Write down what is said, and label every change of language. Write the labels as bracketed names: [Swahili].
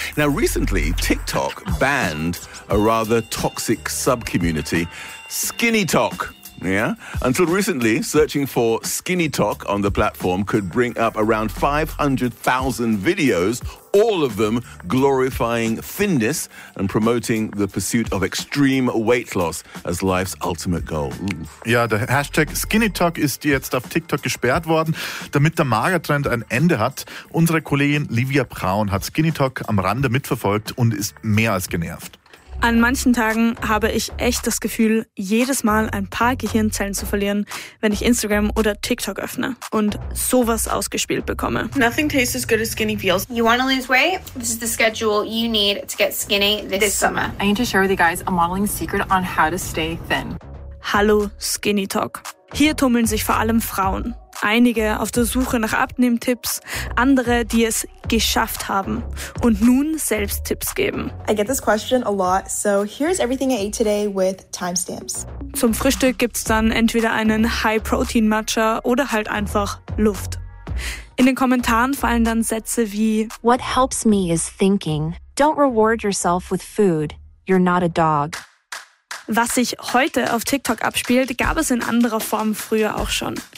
[English] Now, recently, TikTok banned a rather toxic sub-community, Skinny Talk. Yeah? Until recently, searching for Skinny Talk on the platform could bring up around 500,000 videos, all of them glorifying thinness and promoting the pursuit of extreme weight loss as life's ultimate goal. [German] Ja, der Hashtag Skinny Talk ist jetzt auf TikTok gesperrt worden, damit der Magertrend ein Ende hat. Unsere Kollegin Livia Braun hat Skinny Talk am Rande mitverfolgt und ist mehr als genervt. An manchen Tagen habe ich echt das Gefühl, jedes Mal ein paar Gehirnzellen zu verlieren, wenn ich Instagram oder TikTok öffne und sowas ausgespielt bekomme. [English] Nothing tastes as good as skinny feels. You want to lose weight? This is the schedule you need to get skinny this summer. I need to share with you guys a modeling secret on how to stay thin. [German] Hallo Skinny Talk. Hier tummeln sich vor allem Frauen. Einige auf der Suche nach Abnehmtipps, andere, die es geschafft haben und nun selbst Tipps geben. [English] I get this question a lot, so here's everything I ate today with timestamps. [German] Zum Frühstück gibt's dann entweder einen High-Protein-Matcha oder halt einfach Luft. In den Kommentaren fallen dann Sätze wie [English] What helps me is thinking. Don't reward yourself with food. You're not a dog. [German] Was sich heute auf TikTok abspielt, gab es in anderer Form früher auch schon.